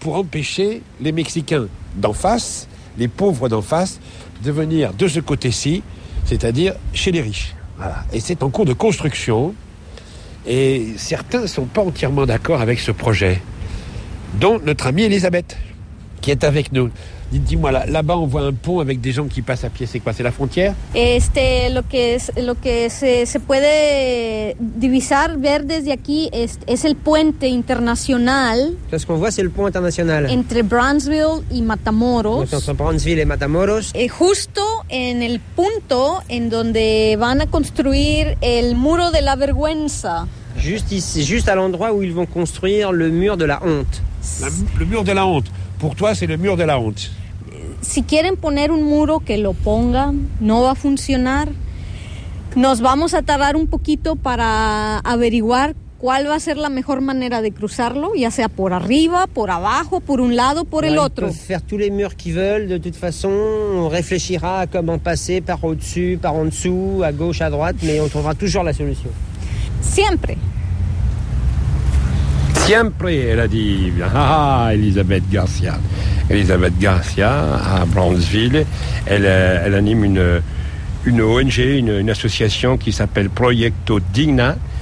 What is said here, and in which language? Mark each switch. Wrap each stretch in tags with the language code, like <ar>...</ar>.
<fr>Pour empêcher les Mexicains d'en face, les pauvres d'en face, de venir de ce côté-ci, c'est-à-dire chez les riches. Voilà. Et c'est en cours de construction. Et certains ne sont pas entièrement d'accord avec ce projet. Dont notre amie Elisabeth, qui est avec nous. Dis-moi, là-bas, on voit un pont avec des gens qui passent à pied. C'est quoi ? C'est la frontière ?</fr> <es>Lo que se puede divisar, ver desde aquí, es el puente internacional.</es> <fr>Ce qu'on voit, c'est le pont international.</fr> <es>Entre Brownsville y Matamoros.</es> <fr>Donc, entre Brownsville et Matamoros.</fr> <es>Et justo en el punto en donde van a construir el muro de la vergüenza.</es> <fr>Juste ici, juste à l'endroit où ils vont construire le mur de la honte. Le mur de la honte. Pour toi, c'est le mur de la honte.</fr> <es>Si quieren poner un muro, que lo pongan. No va a funcionar. Nos vamos a tardar un poquito para averiguar cuál va a ser la mejor manera de cruzarlo, ya sea por arriba, por abajo, por un lado, por el otro.</es> <fr>Ils peuvent faire tous les murs qu'ils veulent. De toute façon, on réfléchira à comment passer par au-dessus, par en dessous, à gauche, à droite, mais on trouvera toujours la solution.</fr> <es>Siempre.</es> <fr>Siempre, elle a dit. Ah, Elisabeth Garcia. Elisabeth Garcia, à Brownsville, elle anime une ONG, une association qui s'appelle Proyecto Digna.</fr>